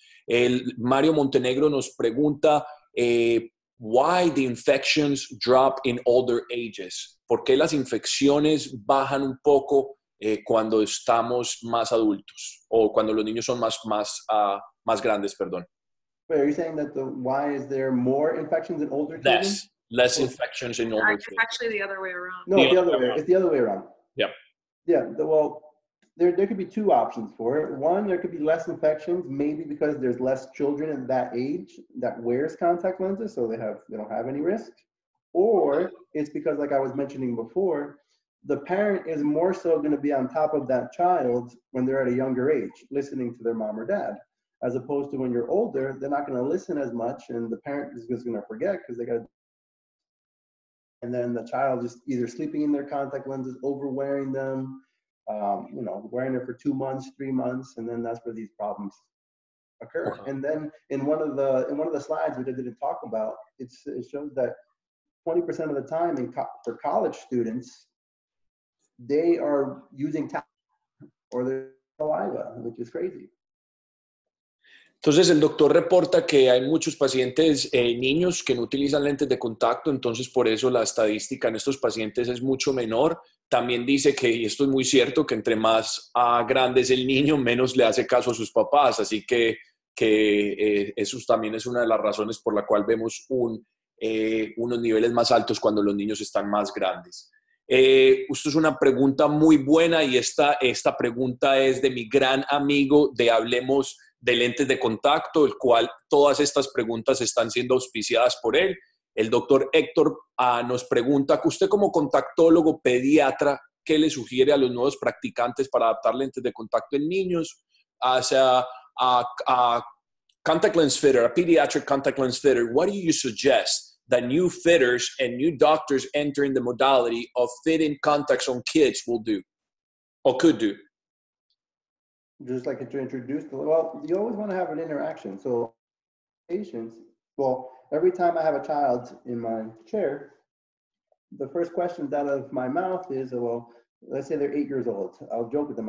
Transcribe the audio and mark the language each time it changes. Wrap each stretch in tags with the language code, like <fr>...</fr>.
<es>El Mario Montenegro nos pregunta,</es> <en>why the infections drop in older ages?</en> <es>¿Por qué las infecciones bajan un poco cuando estamos más adultos, o cuando los niños son más grandes, perdón?</es> <en>Wait, are you saying that why is there more infections in older children? Less infections in older children. It's actually the other way around. No, it's the other way around. Yeah. Yeah, well, there could be two options for it. One, there could be less infections, maybe because there's less children at that age that wears contact lenses, so they don't have any risk. Or it's because, like I was mentioning before, the parent is more so going to be on top of that child when they're at a younger age, listening to their mom or dad, as opposed to when you're older, they're not going to listen as much, and the parent is just going to forget because they got to. And then the child is either sleeping in their contact lenses, overwearing them, wearing it for 2 months, 3 months, and then that's where these problems occur. Wow. And then in one of the slides, which I didn't talk about, it shows that 20% of the time for college students, they are using or their saliva, which is crazy.</en> <es>Entonces, el doctor reporta que hay muchos pacientes niños que no utilizan lentes de contacto, entonces por eso la estadística en estos pacientes es mucho menor. También dice que, y esto es muy cierto, que entre más grande es el niño, menos le hace caso a sus papás. Así que eso también es una de las razones por la cual vemos unos niveles más altos cuando los niños están más grandes. Esto es una pregunta muy buena y esta pregunta es de mi gran amigo de Hablemos de Lentes de Contacto, el cual todas estas preguntas están siendo auspiciadas por él. El doctor Héctor nos pregunta que usted como contactólogo pediatra, ¿qué le sugiere a los nuevos practicantes para adaptar lentes de contacto en niños? O sea,</es> <en>a contact lens fitter, a pediatric contact lens fitter, what do you suggest that new fitters and new doctors entering the modality of fitting contacts on kids will do or could do? Just like to introduce, well, you always want to have an interaction. So patients, well, every time I have a child in my chair, the first question out of my mouth is, well, let's say they're 8 years old. I'll joke with them.</en>